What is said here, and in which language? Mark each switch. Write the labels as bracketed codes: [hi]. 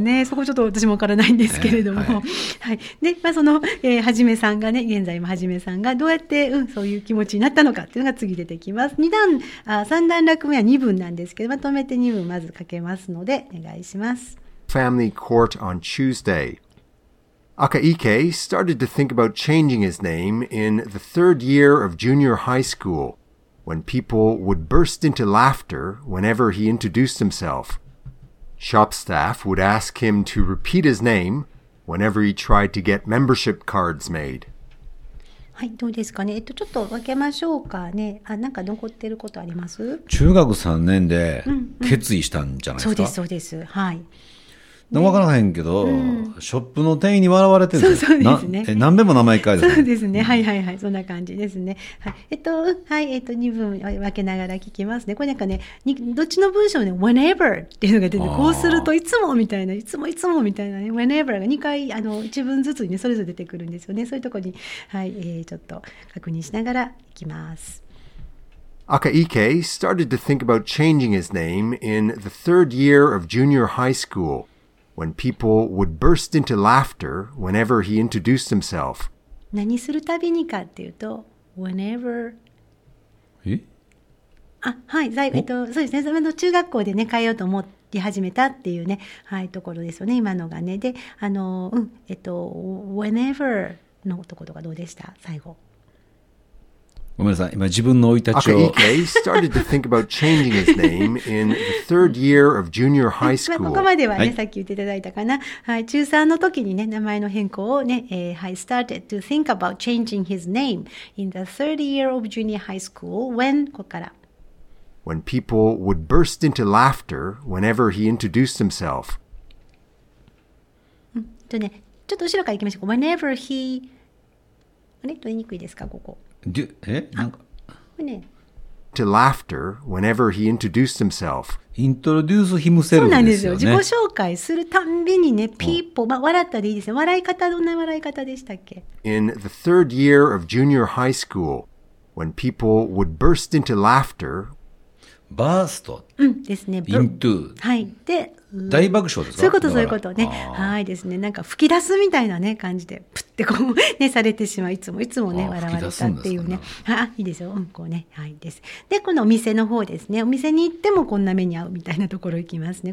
[ja] なんて言うんでしょうね。そこちょっと私もわからないんですけれども、はい、はい、で、まあ、その、はじめさんがね、現在もはじめさんがどうやって、そういう気持ちになったのかっていうのが次出てきます。 2段、3段落目は2文なんですけど、まとめて2文まず書けますのでお願いします。 [en] Family Court on Tuesday. Akaike started to think about changing his name in the third year of junior high school. When people would burst into laughter whenever he introduced himself. Shop staff would ask him to repeat his name whenever he tried to get membership cards made. [ja] はい、どうですかね。ちょっと分けましょうかね。あ、なんか残ってることあります？中学3年で決意したんじゃないですか？うんうん、そうです、そうです。はい。ね、分からへんけど、うん、ショップの店員に笑われてるんですよ。そうですね。何べんも名前変えた。そうですね。はいはいはい。そんな感じですね。はい、はい、2文分けながら聞きますね。これなんかね、どっちの文章もね、whenever っていうのが出て、こうするといつもみたいな、いつもいつもみたいなね、whenever が2回、1文ずつにね、それぞれ出てくるんですよね。そういうところに、はい、ちょっと確認しながらいきます。 [en] Akaike started to think about changing his name in the third year of junior high school. When people would burst into laughter whenever he introduced himself. [ja] 何するたびにかっていうと、whenever. え？あ、はい、そうですね。その中学校でね、変えようと思い始めたっていうね、はい、ところですよね。今のがね。で、whenever のとことかどうでした？最後。ごめんなさい。今自分の生い立ちを。 [en] Akaike started to think about changing his name in the third year of junior high school. [ja] ここまではね、はい、さっき言っていただいたかな。はい、中3の時にね、名前の変更をね、はい、 [en] started to think about changing his name in the third year of junior high school. When? [ja] ここから。 [en] When people would burst into laughter whenever he introduced himself. [ja] ね、ちょっと後ろから行きましょう。 [en] Whenever he… [ja] あれ取りにくいですか、ここ。なんか [en] ね、to laughter whenever he introduced himself. Introduce himself. [ja] そうなんですよ。自己紹介するたんびにね、people、まあ、笑ったでいいですよ。笑い方どんな笑い方でしたっけ [en] ？In the third year of junior high school, when people would burst into laughter. Burst. [ja] うんですね。 [en] Into. [ja] はい。で、大爆笑ですか？そういうこと、そういうことね。はいですね。なんか吹き出すみたいなね、感じで、プッてこう、ね、されてしまう。いつも、いつもね、笑われたっていうね。あ、いいですよ。こうね。はいです。で、このお店の方ですね。お店に行ってもこんな目に遭うみたいなところ行きますね。